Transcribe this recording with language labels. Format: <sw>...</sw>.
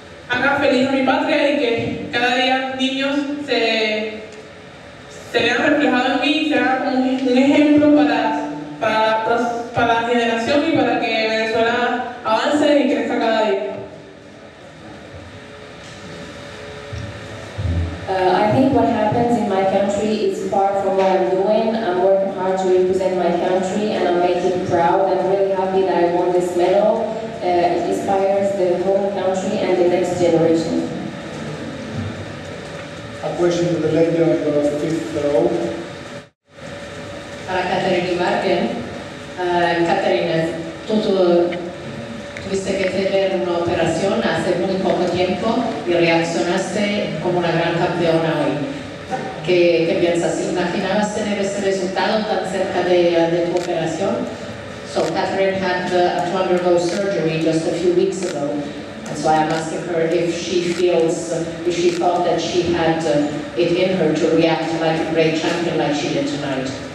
<es>haga feliz a mi patria y que cada día niños se vean reflejados en mí y sea un ejemplo para la generación y para que Venezuela avance y crezca cada día.</es> <en>I think what happens in my country is far from what I'm doing. I'm working hard to represent my country and I'm making proud. I'm really happy that I won this medal. It inspires the whole country and the next generation. A question to the lady on the fifth row.</en> <es>Para Catherine Marken. Catherine, tú tuviste que tener una operación hace muy poco tiempo y reaccionaste como una gran campeona hoy. ¿Qué piensas? ¿Imaginabas tener ese resultado tan cerca de tu operación?</es> <en>So Catherine had to undergo surgery just a few weeks ago. And so I'm asking her if she thought that she had it in her to react like a great champion like she did tonight.</en>